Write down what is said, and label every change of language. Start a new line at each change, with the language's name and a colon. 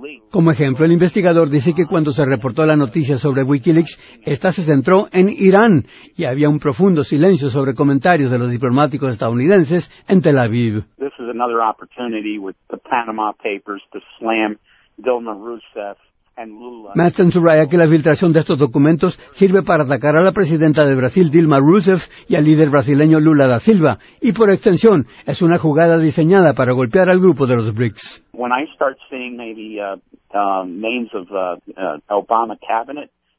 Spanish: Como ejemplo, el investigador dice que cuando se reportó la noticia sobre WikiLeaks, esta se centró en Irán y había un profundo silencio sobre comentarios de los diplomáticos estadounidenses en Tel Aviv.
English: This is another opportunity with the Panama Papers to slam Dilma Rousseff.
Spanish: Maston subraya que la filtración de estos documentos sirve para atacar a la presidenta de Brasil, Dilma Rousseff, y al líder brasileño Lula da Silva, y por extensión, es una jugada diseñada para golpear al grupo de los BRICS.
English: When I start seeing maybe names of Obama cabinet,